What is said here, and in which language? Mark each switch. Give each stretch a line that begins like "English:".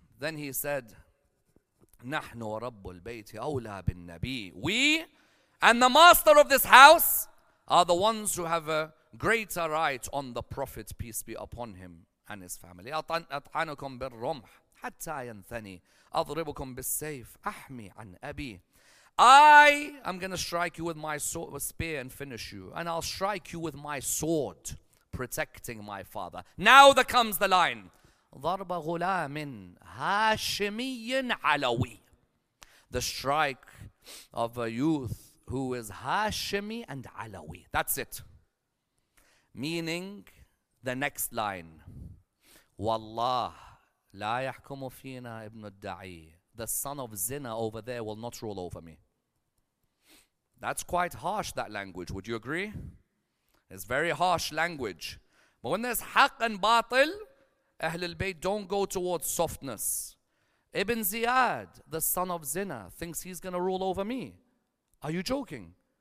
English: Then he said,
Arabic: نحن رب البيت أولى بالنبي.
English: We and the master of this house are the ones who have a greater right on the Prophet, peace be upon him and his family.
Arabic: أطعنكم بالرمح حتى ينثني أضربكم بالسيف أحمي عن أبي.
English: I am going to strike you with my spear and finish you, and I'll strike you with my sword, protecting my father. Now there comes the line.
Arabic: ضرب غلام هاشمي علوي.
English: The strike of a youth who is Hashimi and Alawi. That's it. Meaning the next line.
Arabic: والله لا يحكم فينا ابن الدعي.
English: The son of Zina over there will not rule over me. That's quite harsh, that language. Would you agree? It's very harsh language. But when there's haq and batil, Ahl al-Bayt don't go towards softness. Ibn Ziyad, the son of Zina, thinks he's going to rule over me. Are you joking?